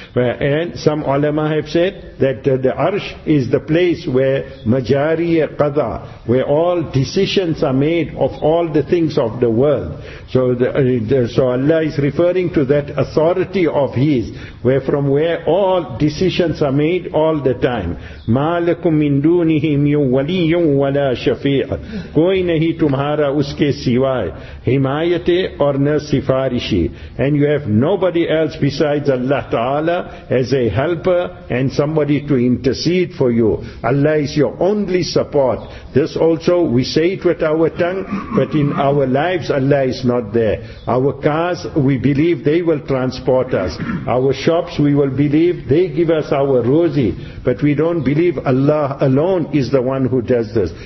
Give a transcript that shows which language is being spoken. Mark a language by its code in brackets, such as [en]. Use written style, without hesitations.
[en] And some ulama have said that the arsh is the place where majariya qada, where all decisions are made of all the things of the world. So Allah is referring to that authority of his, where from where all decisions are made all the time. [ar] ما لكم من دونه من ولي ولا شفيع, [ur] کوئی نہیں تمہارا اس کے سوائے حمایت اور نہ سفارشی. [en] And you have nobody else besides Allah Ta'ala as a helper and somebody to intercede for you. Allah is your only support. This also we say it with our tongue, but in our lives Allah is not there. Our cars, we believe they will transport us. Our shops, we will believe they give us our rosy, but we don't believe Allah alone is the one who does this.